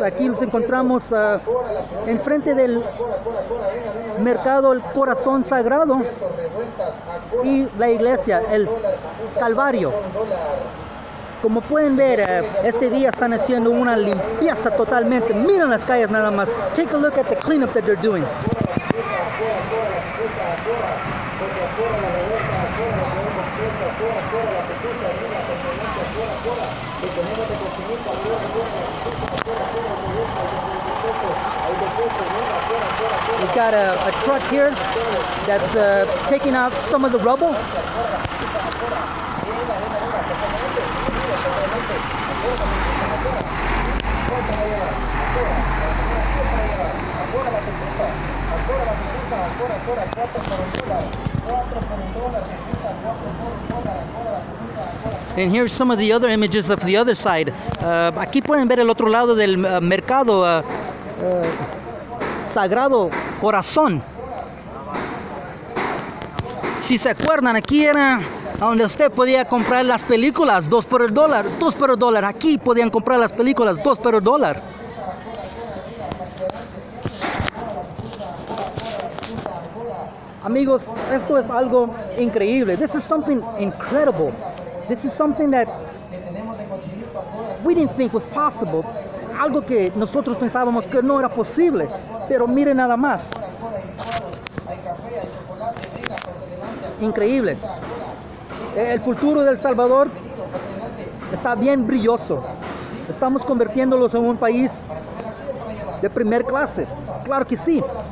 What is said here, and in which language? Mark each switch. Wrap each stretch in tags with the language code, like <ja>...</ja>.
<es>Aquí nos encontramos enfrente del mercado El Corazón Sagrado y la iglesia El Calvario. Como pueden ver, este día están haciendo una limpieza totalmente. Miren las calles nada más.</es> <en>Take a look at the cleanup that they're doing. We've got a truck here that's taking out some of the rubble. And here's some of the other images of the other side.</en> <es>Aquí pueden ver el otro lado del mercado Sagrado Corazón. Si se acuerdan, aquí era donde usted podía comprar las películas $2 por el dólar. Aquí podían comprar las películas $2 por el dólar. Amigos, esto es algo increíble.</es> <en>This is something incredible. This is something that we didn't think was possible.</en> <es>Algo que nosotros pensábamos que no era posible. Pero miren nada más. Increíble. El futuro del Salvador está bien brilloso. Estamos convirtiéndolos en un país de primer clase. Claro que sí.</es>